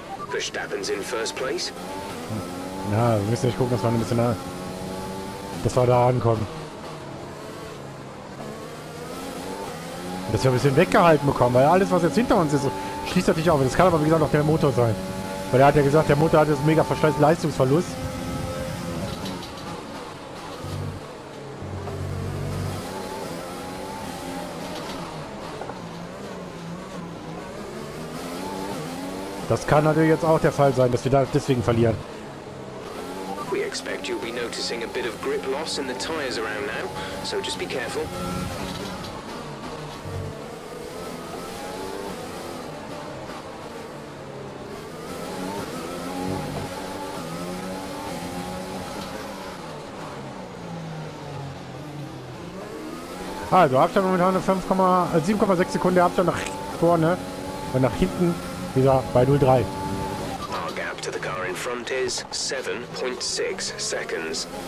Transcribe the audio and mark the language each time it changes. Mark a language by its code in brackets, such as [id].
[en] Verstappen's in first place. [de] Na, wir müssen nicht gucken, dass wir ein bisschen da ankommen. Dass wir ein bisschen weggehalten bekommen, weil alles, was jetzt hinter uns ist, schließt natürlich auf. Das kann aber wie gesagt auch der Motor sein. Weil er hat ja gesagt, der Motor hat jetzt mega verschleißt Leistungsverlust. Das kann natürlich jetzt auch der Fall sein, dass wir da deswegen verlieren. [en] We expect you'll be noticing a bit of grip loss in the tires around now, so just be careful. [de] Also Abstand momentan 7,6 Sekunden, der Abstand nach vorne und nach hinten wieder bei 0,3. [en] Our gap to the car in front is 7.6 seconds.